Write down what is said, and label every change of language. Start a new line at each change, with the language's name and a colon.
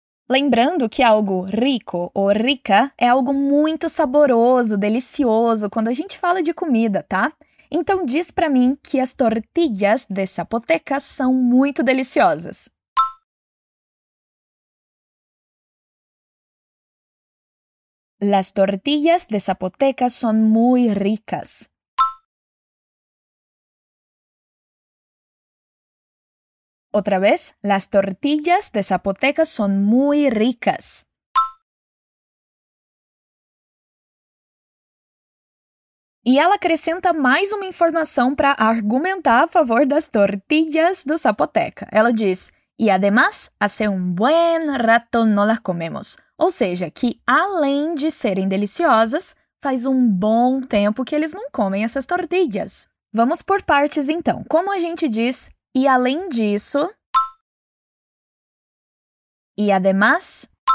Portuguese: Lembrando que algo rico ou rica é algo muito saboroso, delicioso, quando a gente fala de comida, tá? Então, diz pra mim que as tortillas de Zapoteca são muito deliciosas.
Spanish: Las tortillas de Zapoteca son muy ricas. Outra vez, las tortillas de Zapoteca son muy ricas.
Portuguese: E ela acrescenta mais uma informação para argumentar a favor das tortillas do Zapoteca. Ela diz,
Spanish: y además, hace un buen rato no las comemos.
Portuguese: Ou seja, que além de serem deliciosas, faz um bom tempo que eles não comem essas tortillas. Vamos por partes, então. Como a gente diz, e além disso...
Spanish: E además,